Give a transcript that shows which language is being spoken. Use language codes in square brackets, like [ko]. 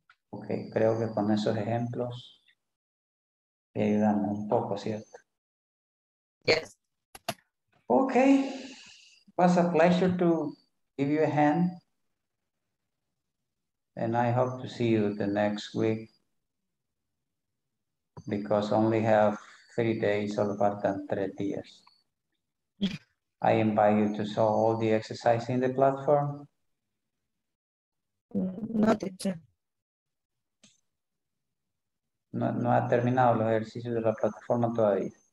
[es] Okay, creo que con esos ejemplos te ayudamos un poco, ¿cierto? [en] Yes. Okay. It was a pleasure to give you a hand. And I hope to see you the next week. Because only have 3 days, [es] solo faltan 3 días. [en] I invite you to solve all the exercises in the platform. [es] No ha terminado los ejercicios de la plataforma todavía.